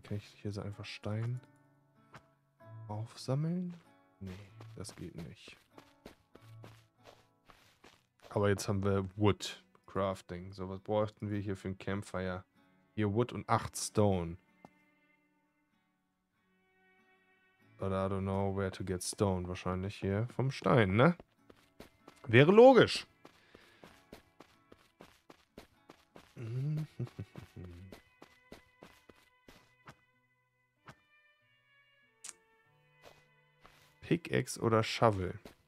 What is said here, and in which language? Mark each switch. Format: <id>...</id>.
<de>Kann ich hier so einfach Stein aufsammeln? Nee, das geht nicht. Aber jetzt haben wir Wood Crafting. So, was bräuchten wir hier für ein Campfire? Hier Wood und 8 Stone.</de> <en>But I don't know where to get stone.</en> <de>Wahrscheinlich hier vom Stein, ne? Wäre logisch. Pickaxe oder Shovel?</de>